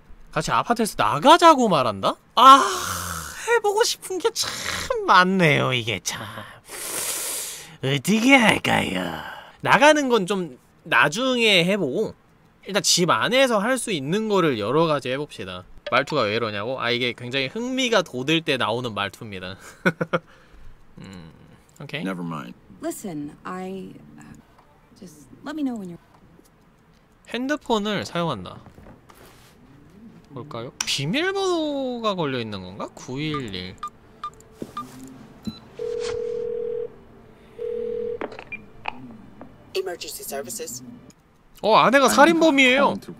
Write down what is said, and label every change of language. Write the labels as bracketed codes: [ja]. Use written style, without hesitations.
[ko] 같이 아파트에서 나가자고 말한다? 아, 해보고 싶은 게 참 많네요, 이게 참. 어떻게 할까요? 나가는 건 좀 나중에 해보고, 일단 집 안에서 할 수 있는 거를 여러 가지 해봅시다. 말투가 왜 이러냐고? 아, 이게 굉장히 흥미가 돋을 때 나오는 말투입니다. 오케이. [en] Never mind. Listen, I just let me know when you're [ko] 핸드폰을 사용한다. 뭘까요? 비밀번호가 걸려 있는 건가? 911. 어, 아내가 살인범이에요.